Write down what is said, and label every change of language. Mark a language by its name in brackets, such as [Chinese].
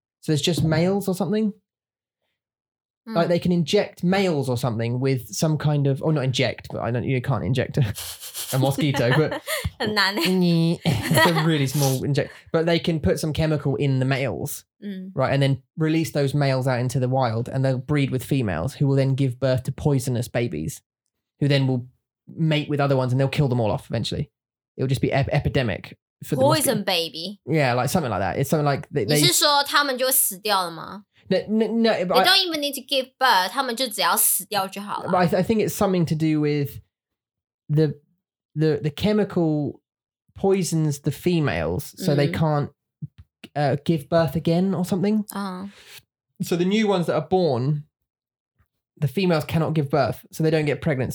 [English] So it's just males or something. Like they can inject males or something with some kind of, or not inject, but you can't inject a mosquito, but it's a really small inject, but they can put some chemical in the males, right? And then release those males out into the wild and they'll breed with females who will then give birth to poisonous babies who then will mate with other ones and they'll kill them all off eventually. It'll just be epidemic. For poison the baby. Yeah, like something like that. It's something like they [Chinese] 你是说他们就死掉了吗? [English] No, they don't even need to give birth. [Chinese] 他们就只要死掉就好了. [English] But I think it's something to do with the chemical poisons the females, so they can't give birth again or something. So the new ones that are born, the females cannot give birth, so they don't get pregnant.